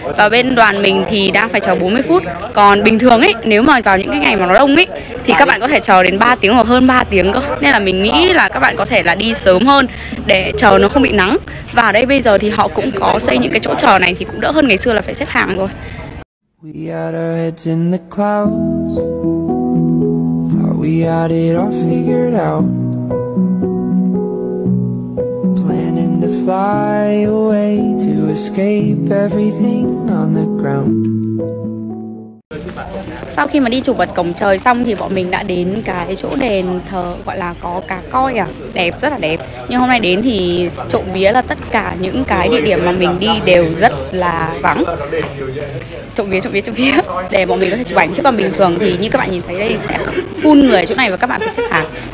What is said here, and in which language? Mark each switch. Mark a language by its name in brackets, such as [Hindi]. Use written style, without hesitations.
[Vietnamese] Và bên đoàn mình thì đang phải chờ 40 phút. Còn bình thường ấy, nếu mà vào những cái ngày mà nó đông ấy thì các bạn có thể chờ đến 3 tiếng hoặc hơn 3 tiếng cơ. Nên là mình nghĩ là các bạn có thể là đi sớm hơn để chờ nó không bị nắng. Và ở đây bây giờ thì họ cũng có xây những cái chỗ chờ này thì cũng đỡ hơn ngày xưa là phải xếp hàng rồi. [English] We had our heads in the clouds. Thought we had it all figured out. Planning to fly away to escape everything on the ground. [Vietnamese] Sau khi mà đi chụp vật cổng trời xong thì bọn mình đã đến cái chỗ đền thờ gọi là có cá coi à. Đẹp, rất là đẹp. Nhưng hôm nay đến thì trộm vía là tất cả những cái địa điểm mà mình đi đều rất là vắng. Trộm vía. Để bọn mình có thể chụp ảnh. Chứ còn bình thường thì như các bạn nhìn thấy đây sẽ phun người ở chỗ này và các bạn phải xếp hàng.